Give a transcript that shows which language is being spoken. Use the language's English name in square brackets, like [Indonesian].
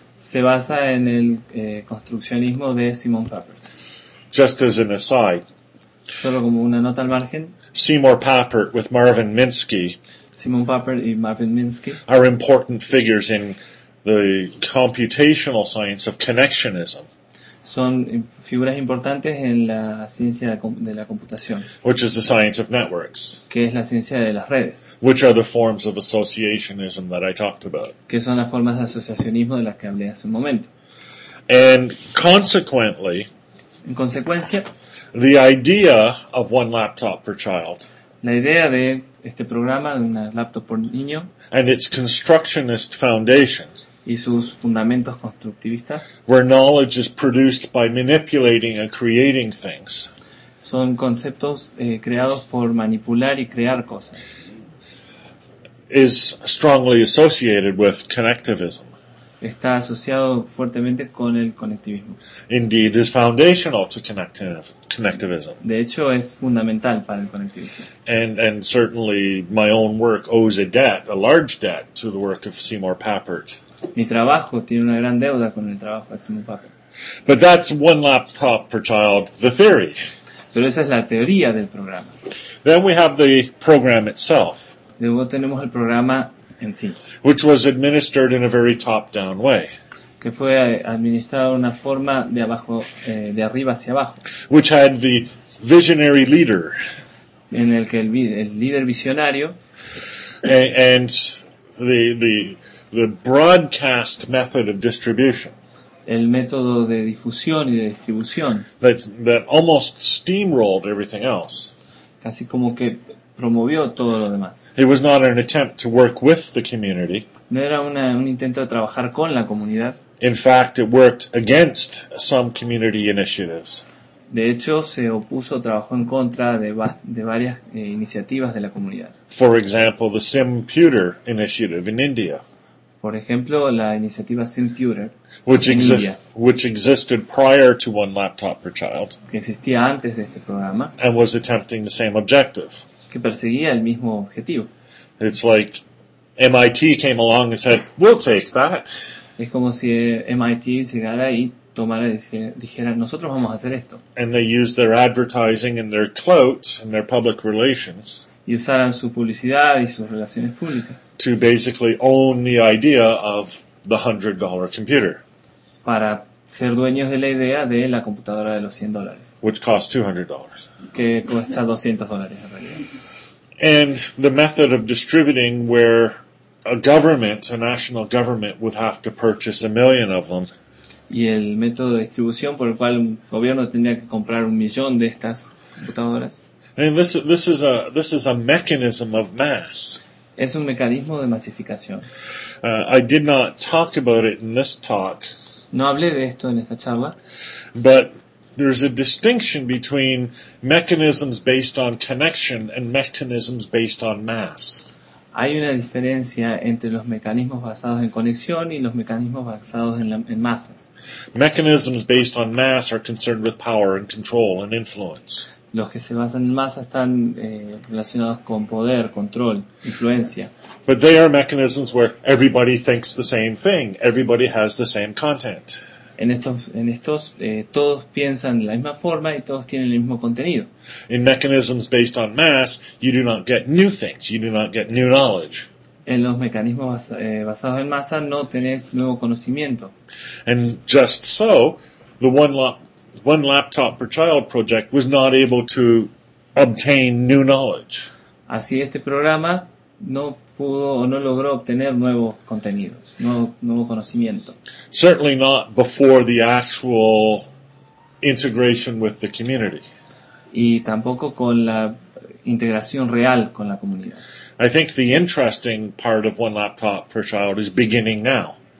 [Spanish] Se basa en el construccionismo de Seymour Papert. [English] Just as an aside. [Spanish] Solo como una nota al margen. [English] Seymour Papert with Marvin Minsky. [Spanish] Seymour Papert y Marvin Minsky [English] are important figures in the computational science of connectionism. [Spanish] Son figuras importantes en la ciencia de la computación. [English] Which is the science of networks. [Spanish] Que es la ciencia de las redes. [English] Which are the forms of associationism that I talked about. [Spanish] Que son las formas de asociacionismo de las que hablé hace un momento. [English] And consequently, [Spanish] en consecuencia, [English] the idea of one laptop per child, [Spanish] la idea de este programa de una laptop por niño, [English] and its constructionist foundations, [Spanish] y sus fundamentos constructivistas, [English] where knowledge is produced by manipulating and creating things, [Spanish] son conceptos creados por manipular y crear cosas, [English] is strongly associated with connectivism. [Spanish] Está asociado fuertemente con el conectivismo. [English] Indeed, is foundational to connectivism. [Spanish] De hecho, es fundamental para el conectivismo. [English] And certainly my own work owes a debt, a large debt, to the work of Seymour Papert. [Spanish] Mi trabajo tiene una gran deuda con el trabajo de Seymour Papert. [English] But that's one laptop per child, the theory. [Spanish] Pero esa es la teoría del programa. [English] Then we have the program itself. [Spanish] Luego tenemos el programa en sí. [English] Which was administered in a very top-down way. [Spanish] Que fue administrado de una forma de abajo, de arriba hacia abajo. [English] Which had the visionary leader. [Spanish] En el que el líder visionario. [English] And the broadcast method of distribution. [Spanish] el método de difusión y de distribución. [English] That almost steamrolled everything else. [Spanish] Casi como que promovió todo lo demás. [English] It was not an attempt to work with the community. [Spanish] No era un intento de trabajar con la comunidad. [English] In fact, it worked against some community initiatives. [Spanish] De hecho, se opuso, trabajó en contra de varias iniciativas de la comunidad. [English] For example, the Simpewter initiative in India. [Spanish] Por ejemplo, la iniciativa Simpewter, [English] which existed prior to One Laptop Per Child, [Spanish] que existía antes de este programa, [English] and was attempting the same objective. [Spanish] Que perseguía el mismo objetivo. [English] It's like MIT came along and said, "We'll take that." [Spanish] Es como si MIT llegara y tomara y dijera, "Nosotros vamos a hacer esto." [English] And they used their advertising and their clout and their public relations. [Spanish] Y usaran su publicidad y sus relaciones públicas. [English] To basically own the idea of the $100 computer. [Spanish] Para ser dueños de la idea de la computadora de los $100. [English] Which costs $200. [Spanish] Que cuesta $200 en realidad. [English] And the method of distributing where a government, a national government, would have to purchase 1,000,000 of them. [Spanish] Y el método de distribución por el cual un gobierno tendría que comprar 1,000,000 de estas computadoras. [English] And this is a mechanism of mass. [Spanish] Es un mecanismo de masificación. [English] I did not talk about it in this talk. [Spanish] No hablé de esto en esta charla. [English] But there's a distinction between mechanisms based on connection and mechanisms based on mass. [Spanish] Hay una diferencia entre los mecanismos basados en conexión y los mecanismos basados en masas. [English] Mechanisms based on mass are concerned with power and control and influence. [Spanish] Los que se basan en masa están relacionados con poder, control, influencia. [English] But they are mechanisms where everybody thinks the same thing. Everybody has the same content. [Spanish] En estos, todos piensan de la misma forma y todos tienen el mismo contenido. [English] In mechanisms based on mass, you do not get new things. You do not get new knowledge. [Spanish] En los mecanismos basados en masa no tenés nuevo conocimiento. [English] And just so, the One Laptop Per Child project was not able to obtain new knowledge. [Spanish] Así este programa no pudo o no logró obtener nuevos contenidos, nuevo conocimiento. [English] Certainly not before the actual integration with the community. [Spanish] Y tampoco con la integración real con la comunidad. [English] I think the interesting part of One Laptop Per Child is beginning now.